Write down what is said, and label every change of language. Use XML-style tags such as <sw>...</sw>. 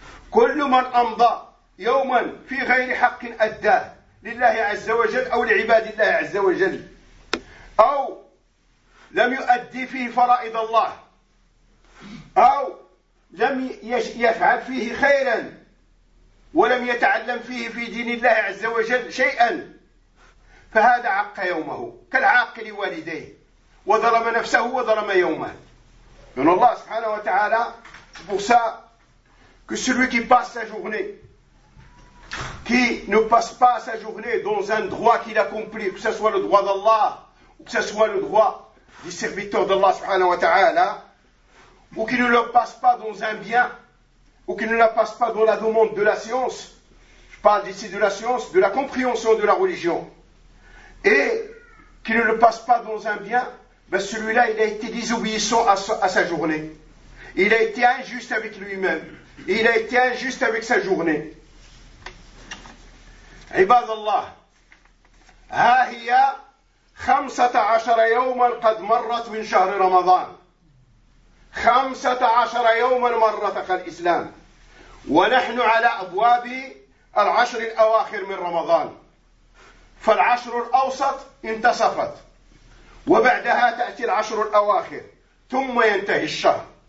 <ar>كل من أمضى يوما في غير حق أداه لله عز وجل أو لعباد الله عز وجل، أو لم يؤدي فيه فرائض الله، أو لم يفعل فيه خيرا، ولم يتعلم فيه في دين الله عز وجل شيئا، فهذا عق يومه كالعاق لوالديه، وظلم نفسه وظلم يومه. من الله سبحانه وتعالى بوسا</ar> <fr>que celui qui passe sa journée, qui ne passe pas sa journée dans un droit qu'il accomplit, que ce soit le droit d'Allah, ou que ce soit le droit des serviteurs d'Allah subhanahu wa ta'ala, ou qu'il ne le passe pas dans un bien, ou qu'il ne le passe pas dans la demande de la science, je parle ici de la science, de la compréhension de la religion, et qu'il ne le passe pas dans un bien, ben celui-là, il a été désobéissant à sa journée. Il a été injuste avec lui-même. Il a été injuste avec sa journée.</fr> <ar>عباد الله ها هي 15 يوما قد مرت من شهر رمضان 15 يوما مرت الإسلام ونحن على أبواب العشر الأواخر من رمضان فالعشر الأوسط انتصفت وبعدها تأتي العشر الأواخر ثم ينتهي الشهر</ar>